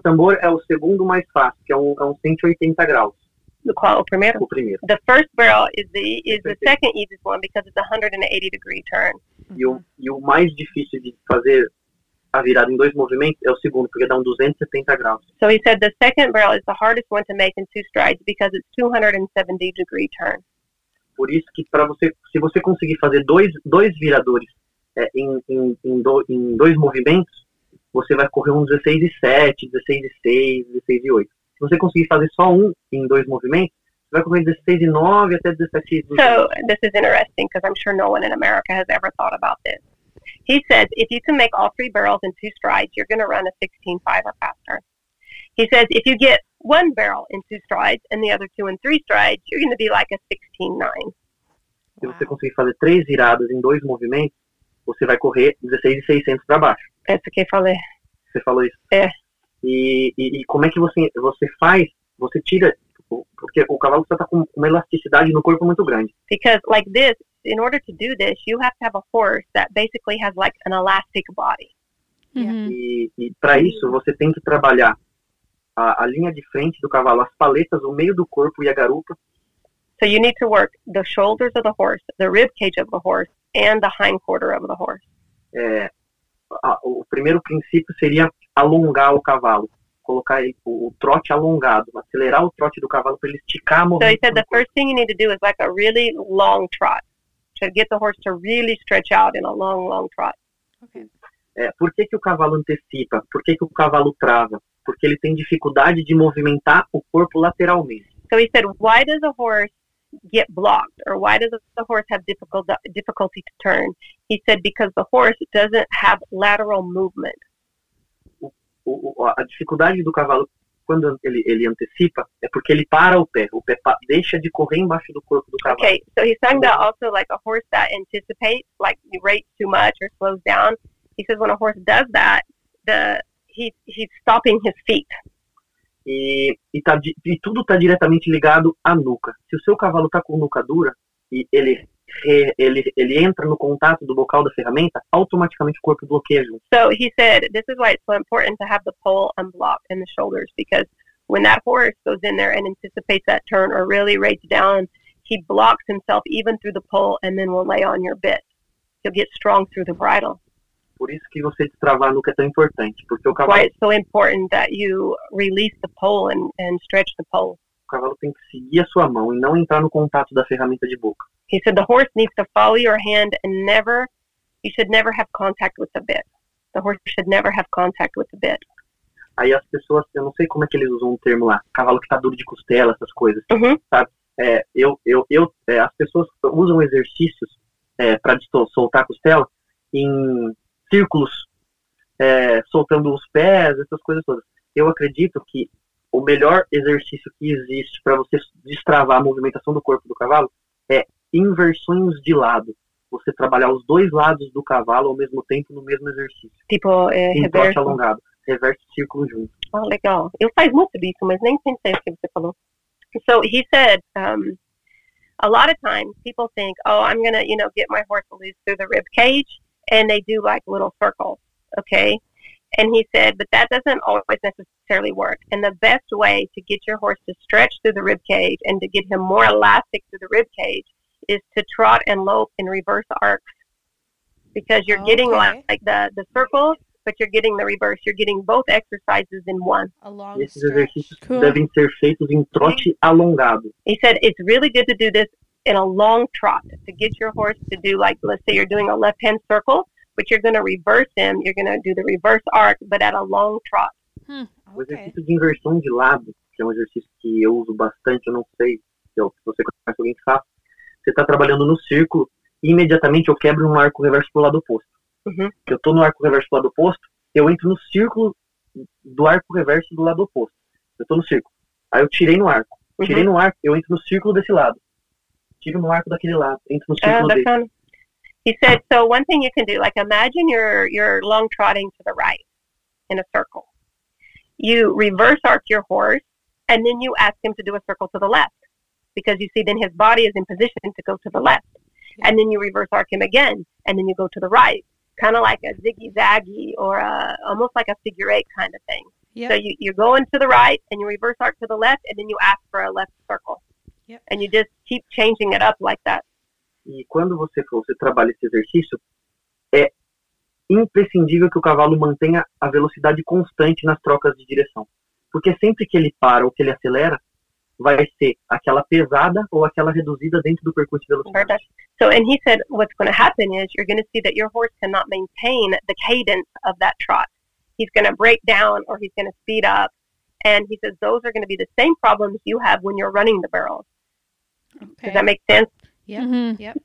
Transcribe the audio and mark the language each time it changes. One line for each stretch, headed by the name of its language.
Portuguese: tambor é o segundo mais fácil, que é um 180 graus. Qual? O primeiro? O primeiro.
English: The first barrel is the second easiest one because it's a 180 degree turn.
Portuguese: Mm-hmm. E o mais difícil de fazer a virada em dois movimentos é o segundo, porque dá um 270 graus.
English: So he said the second barrel is the hardest one to make in two strides because it's 270 degree turn.
Portuguese: Por isso que para você, se você conseguir fazer dois viradores em dois movimentos, você vai correr um 16,7, 16,6, 16,8. Se você conseguir fazer só um em dois movimentos, vai correr 16,9 até 17,2.
English: So, this is interesting because I'm sure no one in America has ever thought about this. He says, if you can make all three barrels in two strides, you're going to run a 16.5 or faster. He says, if you get one barrel in two strides and the other two in three strides, you're going to be like a 16.9.
Portuguese: Se você conseguir fazer três viradas em dois movimentos, você vai correr 16,600 para baixo. É isso que eu falei. Você falou isso? É. E como é que você faz, você tira, porque o cavalo está com uma elasticidade no corpo muito grande.
English: Because like this, in order to do this, you have to have a horse that basically has like an elastic body. Yeah.
Portuguese: E para isso, você tem que trabalhar a linha de frente do cavalo, as paletas, o meio do corpo e a garupa.
English: So you need to work the shoulders of the horse, the rib cage of the horse, and the hind quarter of the horse.
Portuguese: É, o primeiro princípio seria alongar o cavalo. Colocar o trote alongado, acelerar o trote do cavalo para ele esticar a movimento.
English: So he said the first thing you need to do is like a really long trot, to get the horse to really stretch out in a long, long trot.
Portuguese: Okay. É, por que que o cavalo antecipa? Por que que o cavalo trava? Porque ele tem dificuldade de movimentar o corpo lateralmente.
English: So he said, why does a horse get blocked? Or why does the horse have difficulty to turn? He said, because the horse doesn't have lateral movement.
Portuguese: A dificuldade do cavalo, quando ele antecipa, é porque ele para o pé deixa de correr embaixo do corpo do cavalo.
English: Okay, so he's talking about also like a horse that anticipates, like he rates too much or slows down. He says when a horse does that, he's stopping his feet.
Portuguese: E tudo está diretamente ligado à nuca. Se o seu cavalo está com nuca dura e ele entra no contato do bocal da ferramenta, automaticamente o corpo bloqueia junto.
English: So he said, this is why it's so important to have the pole unblocked in the shoulders, because when that horse goes in there and anticipates that turn or really rates down, he blocks himself even through the pole and then will lay on your bit. He'll get strong through the bridle.
Portuguese: Por isso que você destravar a nuca é tão importante, porque o cavalo...
English: Why it's so important that you release the pole and stretch the pole.
Portuguese: O cavalo tem que seguir a sua mão e não entrar no contato da ferramenta de boca.
English: He said the horse needs to follow your hand and never, you should never have contact with the bit. The horse should never have contact with the bit.
Portuguese: Aí as pessoas, eu não sei como é que eles usam um termo lá, cavalo que tá duro de costela, essas coisas. Uh-huh. Sabe? É, as pessoas usam exercícios para soltar a costela em círculos, soltando os pés, essas coisas todas. Eu acredito que o melhor exercício que existe para você destravar a movimentação do corpo do cavalo é inversões de lado. Você trabalhar os dois lados do cavalo ao mesmo tempo no mesmo exercício. Tipo, reverso alongado. Reverso círculo junto. Ah, oh, legal. Eu faz muito disso, mas nem pensei o que você falou.
English: So, he said, a lot of times people think, oh, I'm going to, you know, get my horse loose through the rib cage, and they do like little circles, okay? And he said, but that doesn't always necessarily work. And the best way to get your horse to stretch through the rib cage and to get him more elastic through the rib cage is to trot and lope in reverse arcs, because you're getting like the circles, but you're getting the reverse. You're getting both exercises in one.
Portuguese: Esses exercícios devem ser feitos em trote alongado.
English: He said it's really good to do this in a long trot to get your horse to do, like, let's say you're doing a left-hand circle, but you're going to reverse him. You're going to do the reverse arc, but at a long trot.
Portuguese: O exercício de inversão de lado, que é um exercício que eu uso bastante, eu não sei se você conhece alguém que faça. Você está trabalhando no círculo e imediatamente eu quebro um arco reverso para o lado oposto. Uhum. Eu estou no arco reverso para o lado oposto, eu entro no círculo do arco reverso do lado oposto. Eu estou no círculo. Aí eu tirei no arco. Uhum. Tirei no arco, eu entro no círculo desse lado. Tiro no arco daquele lado. Entro no círculo desse.
English: He said, so one thing you can do, like imagine you're long trotting to the right in a circle. You reverse arc your horse and then you ask him to do a circle to the left. Because you see, then his body is in position to go to the left. And then you reverse arc him again. And then you go to the right. Kind of like a ziggy-zaggy or almost like a figure eight kind of thing. Yep. So you're going to the right and you reverse arc to the left. And then you ask for a left circle. Yep. And you just keep changing it up like that.
Portuguese: E quando você trabalha esse exercício, é imprescindível que o cavalo mantenha a velocidade constante nas trocas de direção. Porque sempre que ele para ou que ele acelera, vai ser aquela pesada ou aquela reduzida dentro do percurso de velocidade.
English: So, and he said what's going to happen is you're going to see that your horse cannot maintain the cadence of that trot. He's going to break down or he's going to speed up. And he says those are going to be the same problems you have when you're running the barrels. Okay. Does that make sense? Yeah. Mm-hmm. Yep.